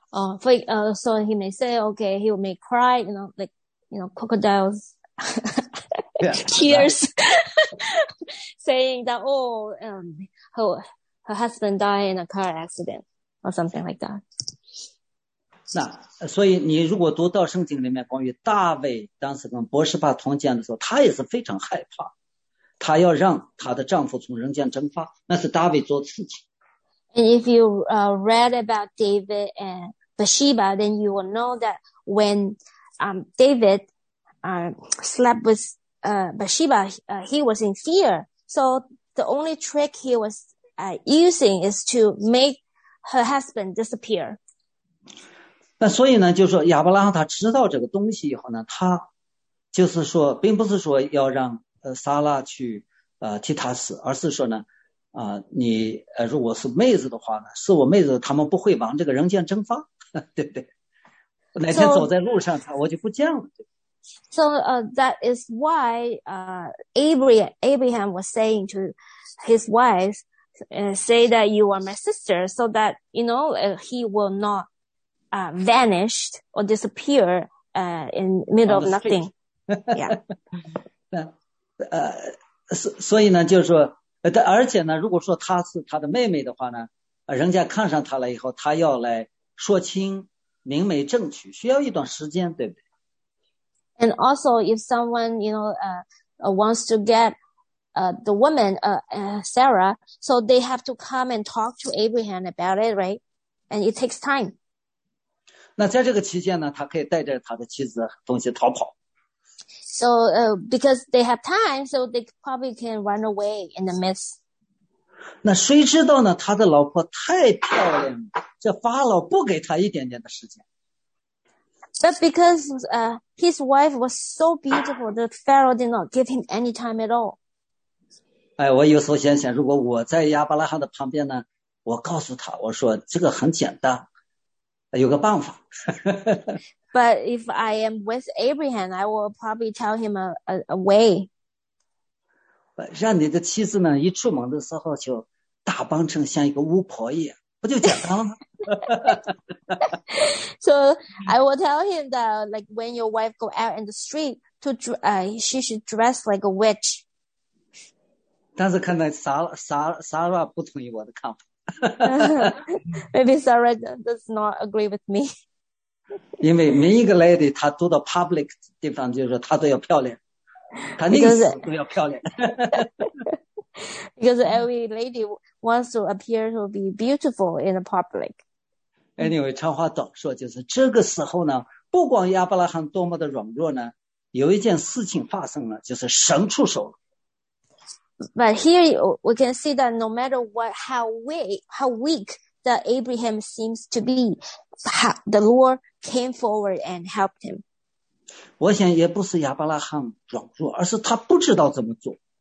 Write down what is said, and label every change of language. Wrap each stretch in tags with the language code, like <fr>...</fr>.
<en>So he may say, okay, he may cry, you know, like, you know, crocodiles tears, saying that, her husband died in a car accident or something like that.</en> <zh>那所以你如果读到圣经里面关于大卫当时跟伯士巴同监的时候，他也是非常害怕。她要让她的丈夫从人间蒸发，那是大卫做的事情。</zh> <en>And if you read about David and Bathsheba, then you will know that when David slept with Bathsheba, he was in fear. So the only trick he was using is to make her husband disappear.</en> <zh>那所以呢，就是说亚伯拉罕他知道这个东西以后呢，他就是说，并不是说要让撒拉去替他死，而是说呢，你如果是妹子的话呢，是我妹子，他们不会往这个人间蒸发，对不对？哪天走在路上，我就不见了。</zh> <en>So, that is why Abraham was saying to his wife, "Say that you are my sister, so that you know he will not vanish or disappear in middle of nothing." Yeah.</en> <zh>所以呢，就是说，但而且呢，如果说她是他的妹妹的话呢，人家看上她了以后，她要来说清明媒正娶，需要一段时间，对不对</zh> <en>？And also, if someone you know wants to get the woman Sarah, so they have to come and talk to Abraham about it, right? And it takes time.</en> <zh>那在这个期间呢，他可以带着他的妻子东西逃跑。</zh> <en>So, because they have time, so they probably can run away in the midst.</en> <zh>那谁知道呢？他的老婆太漂亮了，这法老不给他一点点的时间。</zh> <en>But because his wife was so beautiful, the Pharaoh did not give him any time at all.</en> <zh>哎，我有时候想想，如果我在亚伯拉罕的旁边呢，我告诉他，我说这个很简单，有个办法。</zh> <en>But if I am with Abraham, I will probably tell him a way.</en> <zh>让你的妻子呢，一出门的时候就打扮成像一个巫婆一样，不就简单了吗？</zh> <en>So I will tell him that, like, when your wife go out in the street, to she should dress like a witch.</en> <zh>但是看来Sarah 不同意我的看法。</zh> <en>Maybe Sarah does not agree with me.</en> <zh>因为每一个</zh> <en>lady</en> <zh>她住到</zh> <en>public</en> <zh>地方，就是她都要漂亮，她宁死都要漂亮。</zh> <en>Because every lady wants to appear to be beautiful in the public. Anyway,</en> <zh>长话短说，就是这个时候呢，不管亚伯拉罕多么的软弱呢，有一件事情发生了，就是神出手了。</zh> <en>But here we can see that no matter what, how weak that Abraham seems to be, the Lord came forward and helped him.</en> <zh>我想也不是亚伯拉罕软弱，而是他不知道怎么做。</zh>